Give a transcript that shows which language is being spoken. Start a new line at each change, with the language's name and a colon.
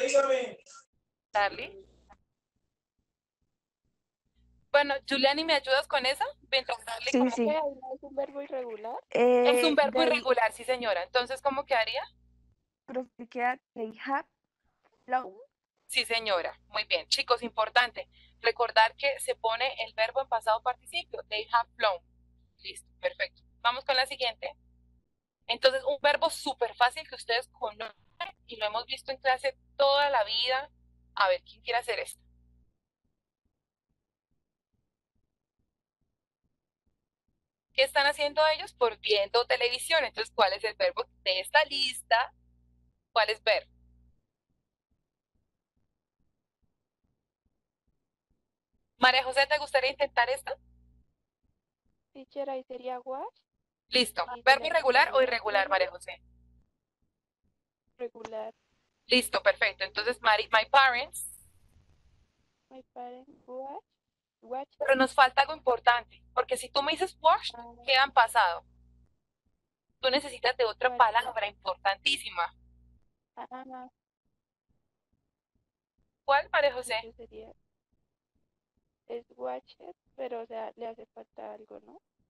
Spanish: ¿Estás grabando? No. Michelle, dígame. ¿Darly? Bueno, Juliani, ¿me ayudas con esa? Sí, ¿cómo sí. ¿Es un verbo irregular? Es un verbo irregular, sí, señora. Entonces, ¿cómo quedaría? Pero si queda,
English: they have flown.
Spanish: Sí, señora. Muy bien. Chicos, importante. Recordar que se pone el verbo en pasado participio.
English: They have flown.
Spanish: Listo, perfecto. Vamos con la siguiente. Entonces, un verbo súper fácil que ustedes conocen y lo hemos visto en clase toda la vida. A ver, ¿quién quiere hacer esto? ¿Qué están haciendo ellos? Por viendo televisión. Entonces, ¿cuál es el verbo de esta lista? ¿Cuál es ver? María José, ¿te gustaría intentar esto? Teacher, ahí sería watch. Listo. ¿Verbo irregular o irregular, María José? Regular. Listo, perfecto. Entonces,
English: my parents watch.
Spanish: Pero nos falta algo importante, porque si tú me dices watch, queda en pasado. Tú necesitas de otra palabra importantísima. ¿Cuál, María José? Es watched, pero o sea, le hace falta algo, ¿no?